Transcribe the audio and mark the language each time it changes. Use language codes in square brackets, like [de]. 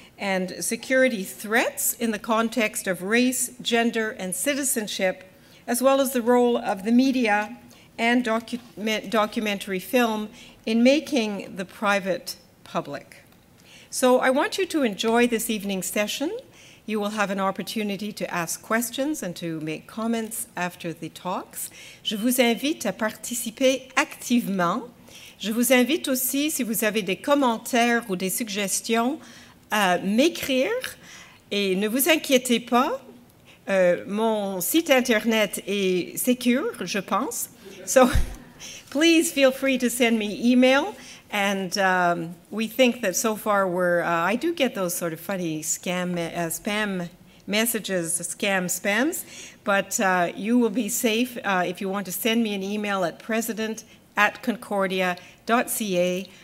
[en] And security threats in the context of race, gender, and citizenship, as well as the role of the media and documentary film in making the private public. So I want you to enjoy this evening's session. You will have an opportunity to ask questions and to make comments after the talks. [fr] Je vous invite à participer activement. Je vous invite aussi, si vous avez des commentaires ou des suggestions, à m'écrire. Et ne vous inquiétez pas, mon site internet est secure, je pense. [en] So please feel free to send me email. And we think that so far I do get those sort of funny spams, but you will be safe if you want to send me an email at president@concordia.ca.